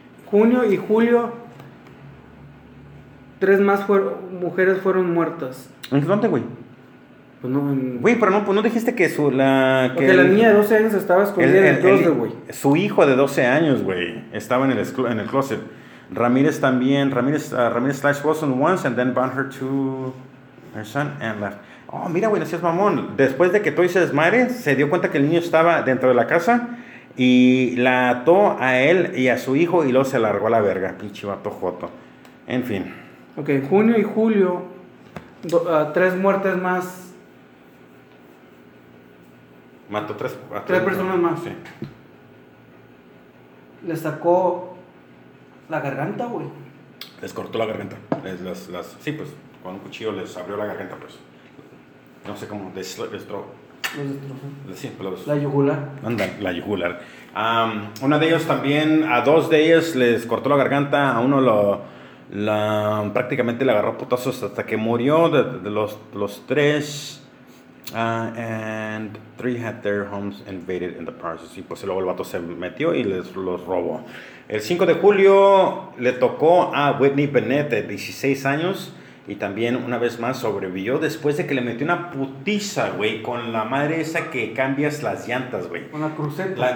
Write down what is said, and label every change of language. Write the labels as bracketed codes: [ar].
[es] junio y julio. Tres más mujeres fueron muertas. ¿En dónde, güey? Pues no. Güey, pero no, pues no dijiste que su. La, que porque la niña de 12 años estaba escondida en el closet, güey. Su hijo de 12 años, güey, estaba en el closet. Ramirez también. [en] Ramirez slashed Wilson once and then bound her to her son and left. [es] Oh, mira, güey, decías mamón. Después de que Toy se desmare, se dio cuenta que el niño estaba dentro de la casa y la ató a él y a su hijo y luego se largó a la verga. Pinche vato joto. En fin. Ok, junio y julio, tres muertes más. Mató tres. Tres personas más. Sí. Les sacó la garganta, güey. Les cortó la garganta. Las, sí, pues, con un cuchillo les abrió la garganta, pues. No sé cómo. Los destrozó. Sí, los. La yugular. Anda, la yugular. Una de ellos también, a dos de ellos les cortó la garganta, a uno lo. Prácticamente le agarró putazos hasta que murió de los tres. [en] And three had their homes invaded in the process. [es] Y pues luego el vato se metió y los robó. El 5 de julio le tocó a Whitney Bennett, de 16 años, y también una vez más sobrevivió después de que le metió una putiza, güey, con la madre esa que cambias las llantas, güey. ¿Con la cruceta?